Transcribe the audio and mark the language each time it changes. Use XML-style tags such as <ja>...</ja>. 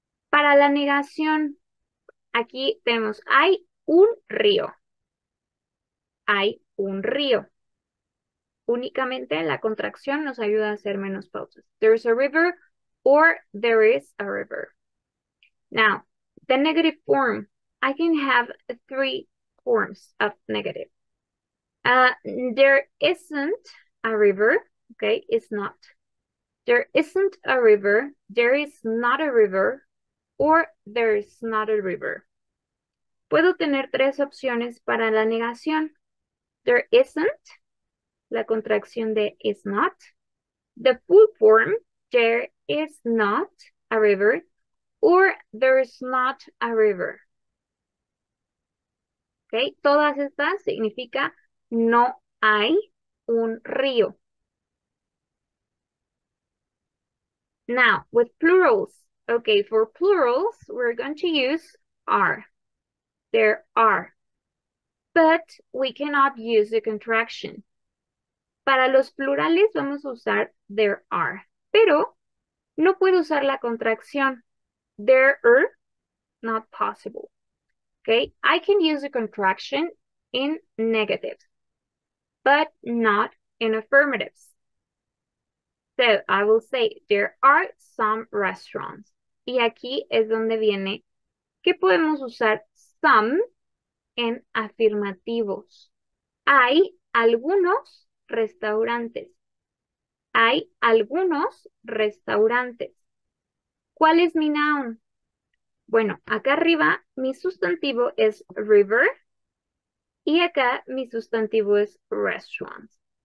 <es>Para la negación, aquí tenemos, hay un río. Hay un río. Únicamente la contracción nos ayuda a hacer menos pausas.</es> <en>There's a river or there is a river. Now, the negative form. I can have three forms of negative. There isn't a river. Okay, it's not. There isn't a river, there is not a river, or there is not a river.</en> <es>Puedo tener tres opciones para la negación.</es> <en>There isn't,</en> <es>la contracción de is not.</es> <en>The full form, there is not a river, or there is not a river.</en> <es>Okay, todas estas significa no hay un río.</es> <en>Now, with plurals. Okay, for plurals, we're going to use are. There are. But we cannot use the contraction.</en> <es>Para los plurales vamos a usar</es> <en>there are.</en> <es>Pero no puedo usar la contracción.</es> <en>There are, not possible. Okay, I can use the contraction in negatives, but not in affirmatives. So I will say there are some restaurants.</en> <es>Y aquí es donde viene que podemos usar some en afirmativos. Hay algunos restaurantes. Hay algunos restaurantes. ¿Cuál es mi noun? Bueno, acá arriba mi sustantivo es river y acá mi sustantivo es restaurants.</es>